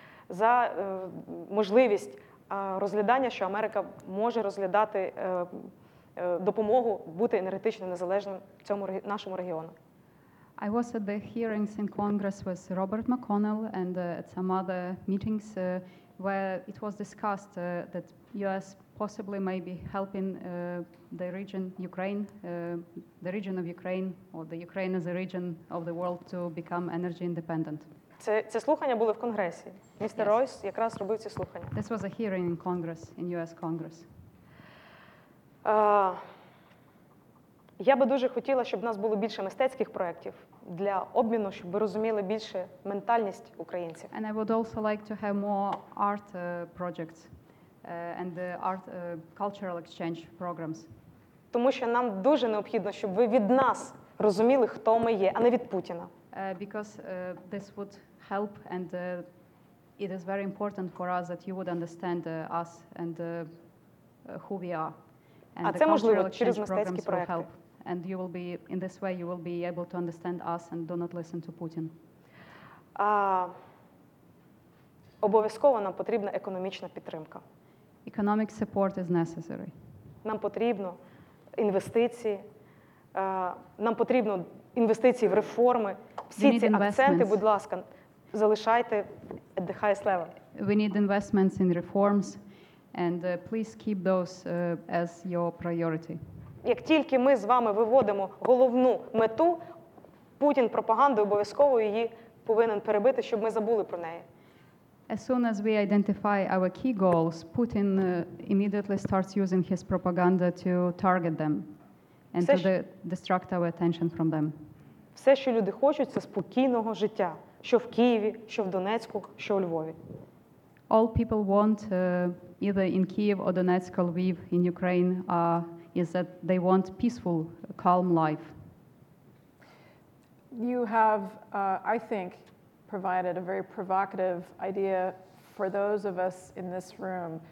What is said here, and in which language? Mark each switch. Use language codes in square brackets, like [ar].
[uk] за можливість розглядання, що Америка може розглядати допомогу бути енергетично незалежним в цьому нашому регіону. [en] I was at the hearings in Congress with Robert McConnell and at some other meetings where it was discussed that US possibly may be helping the region Ukraine, the region of Ukraine or the Ukraine as a region of the world to become energy independent. [uk] Це слухання були в Конгресі. Містер Ройс якраз робив ці слухання. [en] This was a hearing in Congress, in US Congress. [uk] Я би дуже хотіла, щоб в нас було більше мистецьких проєктів для обміну, щоб ви розуміли більше ментальність українців. [en] And I would also like to have more art projects and the art cultural exchange programs. [uk] Тому що нам дуже необхідно, щоб ви від нас розуміли, хто ми є, а не від Путіна. [en] Because this would help and it is very important for us that you would understand us and who we are. [uk] А це можливо через мистецькі проекти. [en] And you will be in this way you will be able to understand us and do not listen to Putin. [uk] Обов'язково нам потрібна економічна підтримка. [en] Economic support is necessary. [uk] Нам потрібно інвестиції. Нам потрібно інвестиції в реформи. Всі ці акценти, будь ласка, залишайте [en] at the highest level. We need investments in reforms. And please keep those as your priority. [uk] Як тільки ми з вами виводимо головну мету, Путін пропаганду обов'язково її повинен перебити, щоб ми забули про неї. [en] As soon as we identify our key goals, Putin immediately starts using his propaganda to target them and to distract our attention from them. [uk] Все, що люди хочуть, це спокійного життя, що в Києві, що в Донецьку, що у Львові. [en] All people want either in Kyiv or Donetsk or Lviv in Ukraine is that they want peaceful, calm life. You have, I think, provided a very provocative idea for those of us in this room.